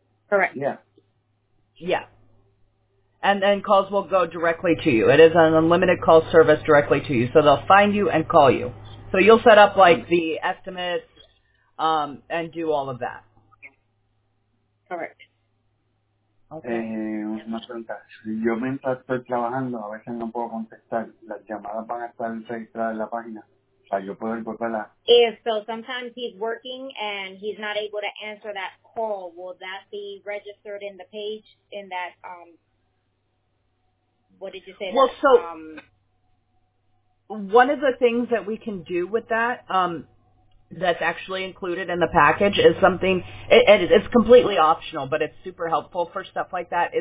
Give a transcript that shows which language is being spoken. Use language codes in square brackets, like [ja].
[en] Correct. Yeah. And then calls will go directly to you. It is an unlimited call service directly to you, so they'll find you and call you. So you'll set up, like, the estimates, and do all of that. Correct. Okay. [es] Una pregunta. Yo mientras estoy trabajando, a veces no puedo contestar. Las llamadas van a estar registradas en la página. O sea, yo puedo encontrarla. [en] If so, sometimes he's working and he's not able to answer that call. Will that be registered in the page in that, what did you say? Well, that, so one of the things that we can do with that, that's actually included in the package is something, it's completely optional, but it's super helpful for stuff like that.